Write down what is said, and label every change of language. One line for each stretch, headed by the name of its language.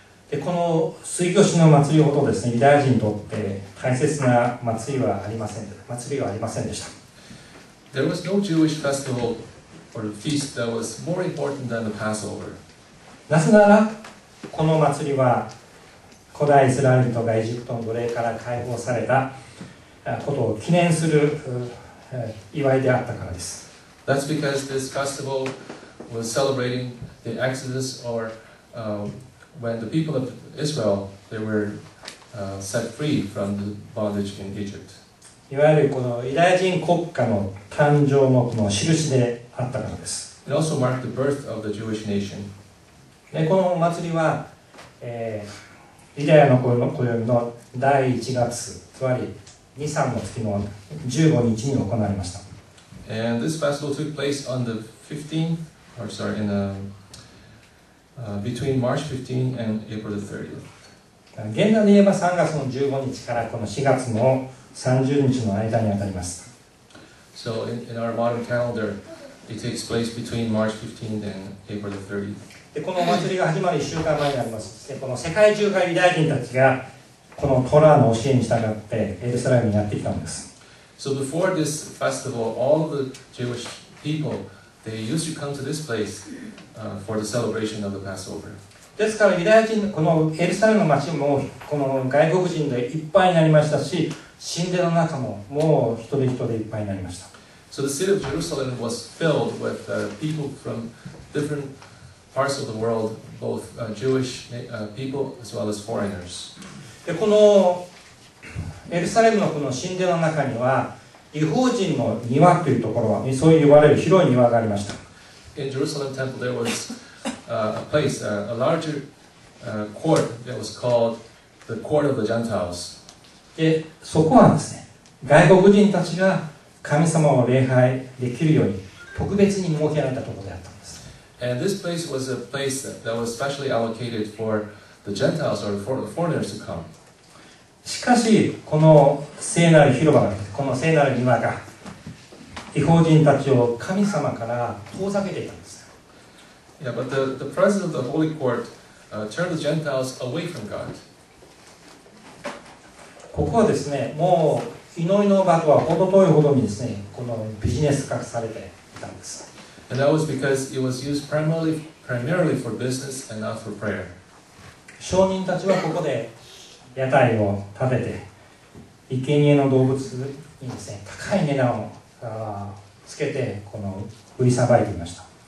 Japanese: でこの吸い越しの祭りほどですね、ユダヤ人にとって大切な祭りはありませんで、祭りはありませんでした。
English: There was no Jewish festival or feast that was more important than the Passover.
Japanese: なぜならこの祭りは古代イスラエル人がエジプトの奴隷から解放されたことを記念する祝いであったからです。
English: That's because this festival was celebrating the Exodus or when the people of Israel they were set free from the bondage in Egypt.
Japanese: いわゆるこのユダヤ人国家の誕生のこの印であったからです。
English: It also marked the birth of the Jewish nation.
Japanese: でこの祭りは、ユダヤの暦の第1月、つまり2、3の月の15日に行われました。
English: And this festival took place on the 15th, or sorry, in the, between March 15th and April the 30th.
Japanese: 現代で言えば3月の15日からこの4月の30日の間にあたります。
English: So in our modern calendar, it takes place between March 15th and April the 30th.
Japanese: でこの祭りが始まる1週間前にあります。でこの世界中からユダヤ人たちがこのトラの教えに従ってエルサレムにやってきたんです。
English: So before this festival, all the Jewish people, they used to come to this place for the celebration of the Passover.
Japanese: ですからユダヤ人、このエルサレムの街もこの外国人でいっぱいになりましたし、神殿の中ももう人で人でいっぱいになりました。
English: So the city of Jerusalem was filled with people from different parts of the world, both Jewish people as well as foreigners.
Japanese: でこのエルサレムのこの神殿の中には異邦人の庭というところは、そう言われる広い庭がありました。
English: In Jerusalem temple there was a place, a larger court that was called the court of the Gentiles.
Japanese: でそこはですね、外国人たちが神様を礼拝できるように特別に設けられたところであった。
English: And this place was a place that was specially allocated for the Gentiles or for the foreigners to come.
Japanese: しかしこの聖なる広場、この聖なる庭が異邦人たちを神様から遠ざけていたんです。
English: Yeah, but the presence of the holy court turned the Gentiles away from God.
Japanese: ここはですね、もう祈りの場とはほど遠いほどにですね、このビジネス化されていたんです。
English: And that was because it was used primarily for business and not for prayer.
Japanese: 商人たちはここで屋台を建てて、生贄の動物にですね、高い値段をつけてこの売りさばいていました。